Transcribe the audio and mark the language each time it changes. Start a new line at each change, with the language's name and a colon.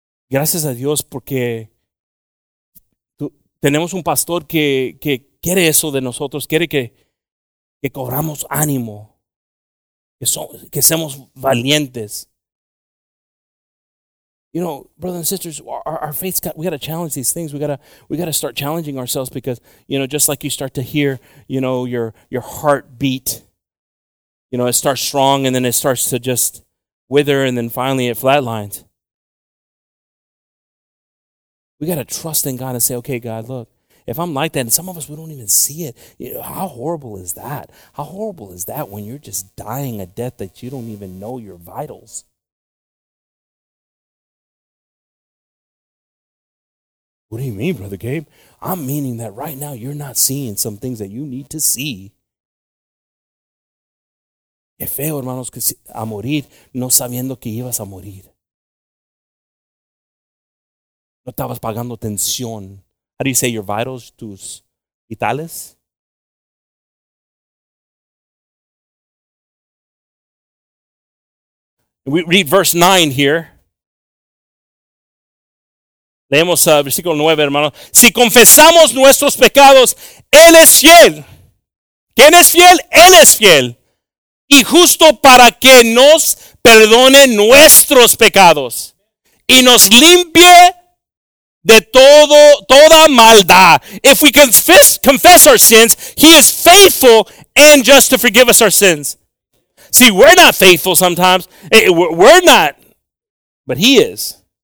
Spanish: Gracias a Dios porque tenemos un pastor que quiere eso de nosotros, quiere que cobramos ánimo, que seamos valientes.
English: You know, brothers and sisters, our faith's got, we got to challenge these things. We got to start challenging ourselves because, you know, just like you start to hear, you know, your heart beat, you know, it starts strong and then it starts to just wither and then finally it flatlines. We got to trust in God and say, okay, God, look, if I'm like that, and some of us, we don't even see it. You know, how horrible is that? How horrible is that when you're just dying a death that you don't even know your vitals? What do you mean, Brother Gabe? I'm meaning that right now you're not seeing some things that you need to see.
Spanish: Qué feo, hermanos, que a morir no sabiendo que ibas a morir. No estabas pagando atención.
English: How do you say your vitals,
Spanish: tus vitales?
English: We read verse 9 here.
Spanish: Leemos versículo 9, hermano. Si confesamos nuestros pecados, Él es fiel. ¿Quién es fiel? Él es fiel. Y justo para que nos perdone nuestros pecados y nos limpie de todo, toda maldad.
English: If we confess our sins, He is faithful and just to forgive us our sins. See, we're not faithful sometimes. We're not. But he is.